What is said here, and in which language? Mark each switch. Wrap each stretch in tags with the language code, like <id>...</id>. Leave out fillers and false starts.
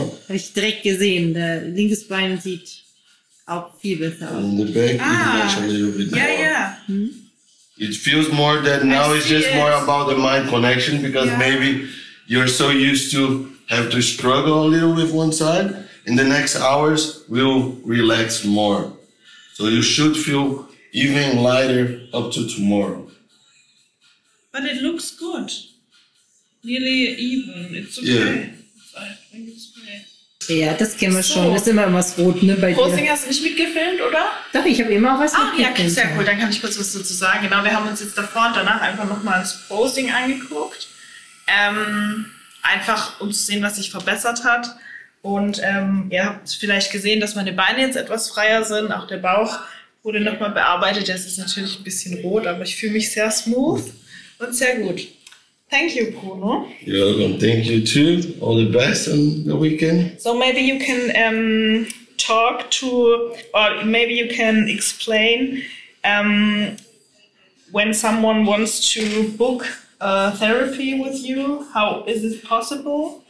<de>Habe ich direkt gesehen. Der linke Bein sieht auch viel besser aus.</de> <en>And the back, you can match a little bit yeah, more. Yeah, yeah. Hmm? It feels more that now it's just it. More about the mind connection because yeah. Maybe you're so used to. Have to struggle a little with one side, in the next hours we'll relax more. So you should feel even lighter up to tomorrow. But it looks good. Nearly even. It's okay. Yeah. I think it's okay.</en> <de>Ja, das kennen wir schon. Das ist immer was rot, ne? Bei Posing dir. Hast du nicht mitgefilmt, oder? Doch, ich habe immer auch was mitgefilmt. Ach ja, sehr cool. Dann kann ich kurz was dazu sagen. Genau, wir haben uns jetzt davor und danach einfach nochmal ins Posing angeguckt. Einfach um zu sehen, was sich verbessert hat. Und ihr habt vielleicht gesehen, dass meine Beine jetzt etwas freier sind. Auch der Bauch wurde nochmal bearbeitet. Das ist natürlich ein bisschen rot, aber ich fühle mich sehr smooth und sehr gut.</de> <en>Thank you, Bruno. You're welcome. Thank you too. All the best on the weekend. So maybe you can talk to, or maybe you can explain when someone wants to book therapy with you? How is it possible?</en>